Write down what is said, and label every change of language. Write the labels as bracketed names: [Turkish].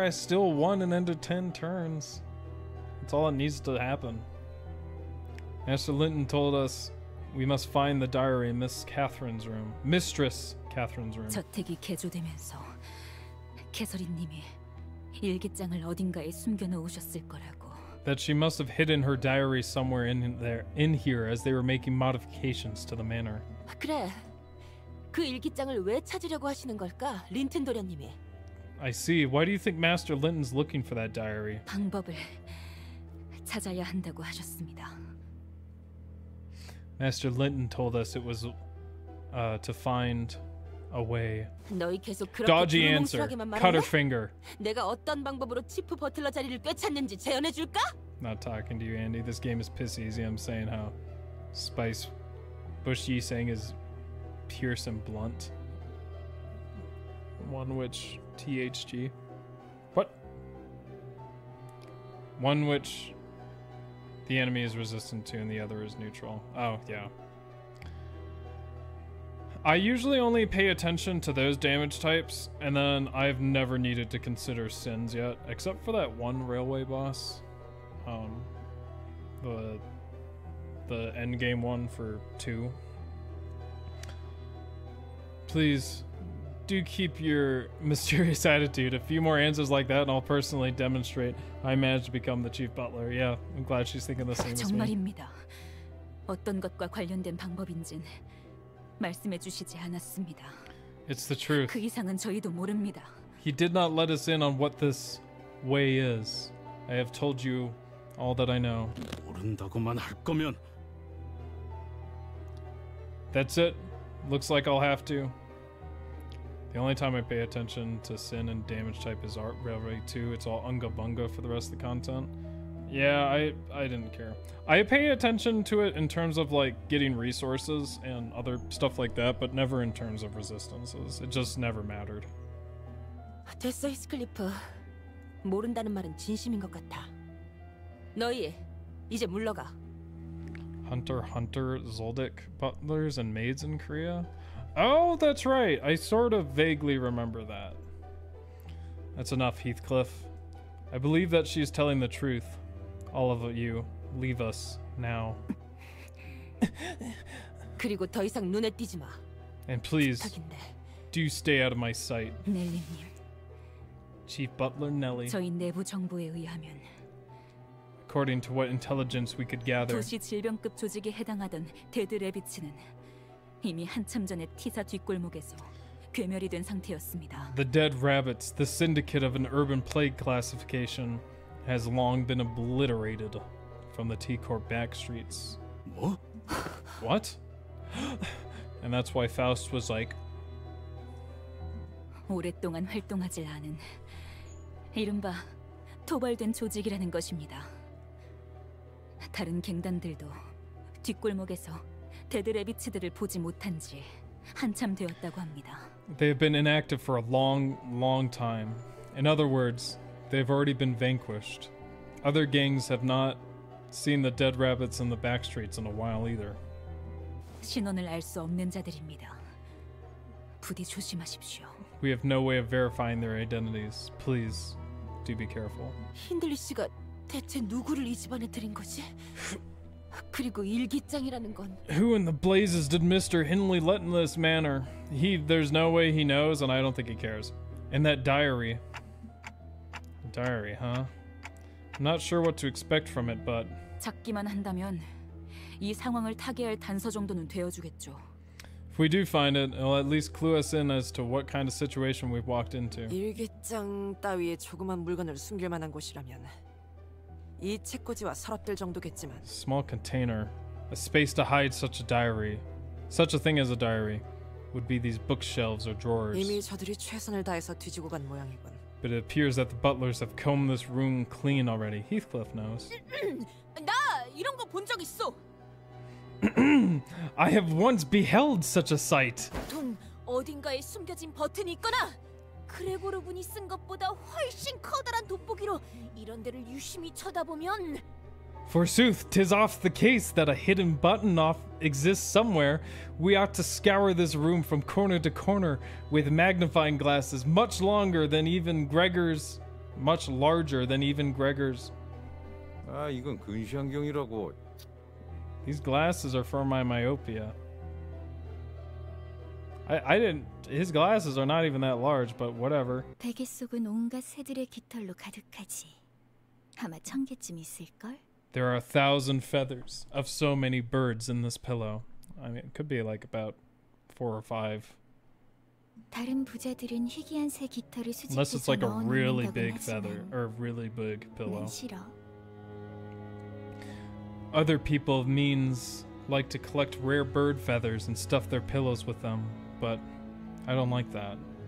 [English] I still won an end of 10 turns. That's all that needs to happen. Master Linton told us we must find the diary in Miss Catherine's room. Mistress Catherine's room. [Korean] 저택이 개조되면서 캐서린님이 일기장을 어딘가에 숨겨놓으셨을 거라고. [English] That she must have hidden her diary somewhere in there, in here, as they were making modifications to the manor. [Korean] 그래. 그 일기장을 왜 찾으려고 하시는 걸까, 린튼 도련님이? [English] I see. Why do you think Master Linton's looking for that diary? [Korean] 방법을 찾아야 한다고 하셨습니다. [English] Master Linton told us it was to find a way. [Korean] 너희 계속 그렇게 [English] dodgy answer. Cut her finger. [Korean] 내가 어떤 방법으로 치프 버틀러 자리를 꿰찾는지 재현해 줄까? [English] Not talking to you, Andy. This game is piss easy. I'm saying how Spice Bushy saying is Pierce and Blunt. One which THG. What? One which the enemy is resistant to and the other is neutral. Oh, yeah. I usually only pay attention to those damage types, and then I've never needed to consider sins yet, except for that one railway boss. The end game one for two. Please, do keep your mysterious attitude. A few more answers like that, and I'll personally demonstrate I managed to become the chief butler. Yeah, I'm glad she's thinking the same as me. [Korean] 정말입니다. 어떤 것과 관련된 방법인진 말씀해 주시지 않았습니다. [English] It's the truth. [Korean] 그 이상은 저희도 모릅니다. [English] He did not let us in on what this way is. I have told you all that I know. [Korean] 모른다고만 할 거면. [English] That's it. Looks like I'll have to. The only time I pay attention to sin and damage type is Art Railway 2. It's all unga bunga for the rest of the content. Yeah, I didn't care. I pay attention to it in terms of like getting resources and other stuff like that, but never in terms of resistances. It just never mattered. [Korean] 됐어, 히스클리프. 모른다는 말은 진심인 것 같아. 너희 이제 물러가. [English] Hunter, Zoldyck, butlers and maids in Korea? Oh, that's right. I sort of vaguely remember that. That's enough, Heathcliff. I believe that she's telling the truth. All of you, leave us now. [Korean] 그리고 더 이상 눈에 띄지 마. [English] And please, do stay out of my sight. [Korean] 넬리님. [English] Chief Butler Nelly. [Korean] 저희 내부 정보에 의하면 [English] according to what intelligence we could gather, [Korean] 도시 질병급 조직에 해당하던 데드 래비치는 이미 한참 전에 티사 뒷골목에서 괴멸이 된 상태였습니다. [English] The dead rabbits, the syndicate of an urban plague classification, has long been obliterated from the T-Corp backstreets. What? What? And that's why Faust was like, [Korean] 오랫동안 활동하지 않은 이른바 토벌된 조직이라는 것입니다. 다른 갱단들도 뒷골목에서 데드 래비츠들을 보지 못한 지 한참 되었다고 합니다. [English] They have been inactive for a long, long time. In other words, they've already been vanquished. Other gangs have not seen the dead rabbits in the back streets in a while either. [Korean] 신원을 알 수 없는 자들입니다. 부디 조심하십시오. [English] We have no way of verifying their identities. Please do be careful. [Korean] 힌들리 씨가 대체 누구를 이 집안에 들인 거지? 그리고 일기장이라는 건 [English] Who in the blazes did Mr. Hindley let in this manor? There's no way he knows, and I don't think he cares. And that diary. Diary, huh? I'm not sure what to expect from it, but [Korean] 찾기만 한다면 이 상황을 타개할 단서 정도는 되어주겠죠. [English] If we do find it, it'll at least clue us in as to what kind of situation we've walked into. [Korean] 일기장 따위에 조그만 물건을 숨길 만한 곳이라면 이 책꽂이와 서랍들 정도겠지만 [English] small container, a space to hide such a diary, such a thing as a diary, would be these bookshelves or drawers. [Korean] 이미 저들이 최선을 다해서 뒤지고 간 모양이군. [English] But it appears that the butlers have combed this room clean already. Heathcliff knows. [Korean] 나 이런 거 본 적 있어. [English] I have once beheld such a sight. [Korean] 보통 어딘가에 숨겨진 버튼이 있거나 그레고르 군이 쓴 것보다 훨씬 커다란 돋보기로 이런 데를 유심히 쳐다보면. [English] Forsooth, 'tis oft the case that a hidden button off exists somewhere. We ought to scour this room from corner to corner with magnifying glasses, much larger than even Gregor's. [Korean] 아, 이건 근시안경이라고. [English] These glasses are for my myopia. His glasses are not even that large, but whatever. [Korean] 베개 속은 온갖 새들의 깃털로 가득하지. 아마 천 개쯤 있을걸? [English] There are 1,000 feathers of so many birds in this pillow. I mean, it could be like about 4 or 5. [Korean] 다른 부자들은 희귀한 새 깃털을 수집해서 [English] Unless it's like a really big feather or a really big pillow. [Korean] 싫어. [English] Other people of means like to collect rare bird feathers and stuff their pillows with them, but I don't like that.